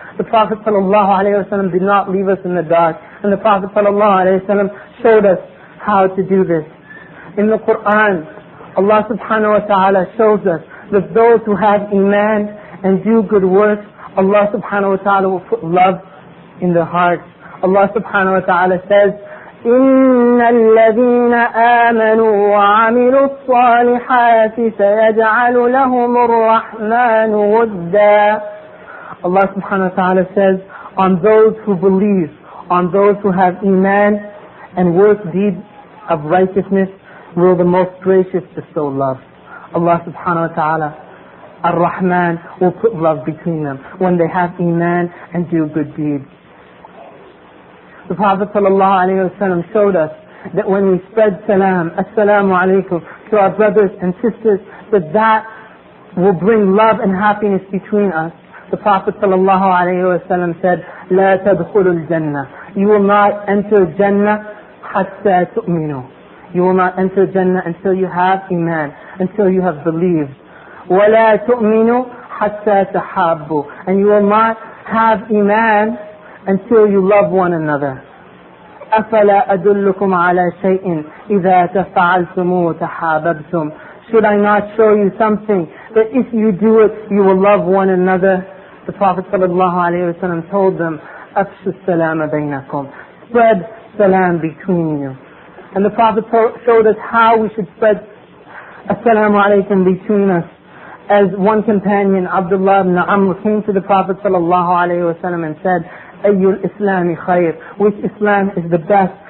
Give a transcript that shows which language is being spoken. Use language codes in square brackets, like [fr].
[en] The Prophet ﷺ did not leave us in the dark. And the Prophet ﷺ showed us how to do this. In the Quran, Allah subhanahu wa ta'ala shows us that those who have iman and do good works, Allah subhanahu wa ta'ala will put love in their hearts. Allah subhanahu wa ta'ala says, [ar] إِنَّ الَّذِينَ آمَنُوا وَعَمِلُوا الصَّالِحَاتِ سَيَجْعَلُ لَهُمُ الرَّحْمَنُ وُدَّا. [en] Allah subhanahu wa ta'ala says, on those who believe, on those who have iman and work deeds of righteousness, will the Most Gracious bestow love. Allah subhanahu wa ta'ala, Ar-Rahman, will put love between them when they have iman and do good deeds. The Prophet sallallahu alayhi wa sallam showed us that when we spread salam, assalamu alaykum, to our brothers and sisters, that will bring love and happiness between us. The Prophet sallallahu alayhi wa sallam said, [ar] لَا تَدْخُلُ الْجَنَّةِ. [en] You will not enter Jannah [ar] حَتَّى تُؤْمِنُوا. [en] You will not enter Jannah until you have iman, until you have believed. [ar] وَلَا تُؤْمِنُوا حَتَّى تَحَابُوا. [en] And you will not have iman until you love one another. [ar] أَفَلَا أَدُلُّكُمْ عَلَى شَيْءٍ إِذَا تَفَعَلْتُمُوا تَحَابَبْتُمْ. [en] Should I not show you something that if you do it, you will love one another. The Prophet sallallahu alaihi wasallam told them, [ar] "Afshu salama baynakum," [en] spread salam between you. And the Prophet showed us how we should spread assalamu alaikum between us. As one companion, Abdullah ibn Amr, came to the Prophet sallallahu alaihi wasallam and said, [ar] "Ayyul Islami khayr," [en] which Islam is the best?